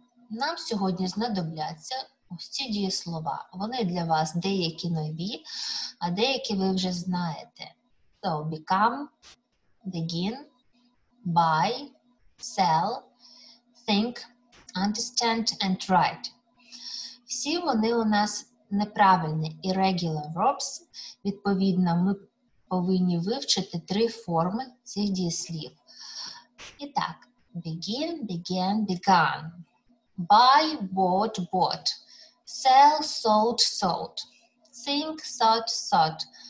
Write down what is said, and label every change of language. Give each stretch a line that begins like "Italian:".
Ukrainian: Нам сьогодні знадобляться усі дієслова. Вони для вас деякі нові, а деякі ви вже знаєте.
English: So, become, begin, buy, sell, think, understand and write.
Ukrainian: Всі вони у нас неправильні,
English: irregular verbs.
Ukrainian: Відповідно, ми повинні вивчити три форми цих дієслів. І так,
English: begin, began, begun. Buy, bought, bought. Sell, sold, sold. Think, thought, thought.